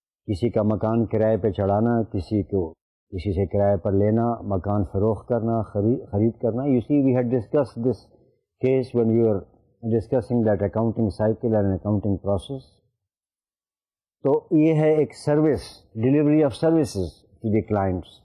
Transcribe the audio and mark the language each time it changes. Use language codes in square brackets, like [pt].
[ur] کسی کا مکان کرائے پہ چڑھانا, کسی کو کسی سے کرائے پر لینا, مکان فروخت کرنا, خرید کرنا. [en] You see, we had discuss this case when you are discussing that accounting cycle and accounting process. [ur] تو یہ ہے ایک service, [en] Delivery of services to the clients.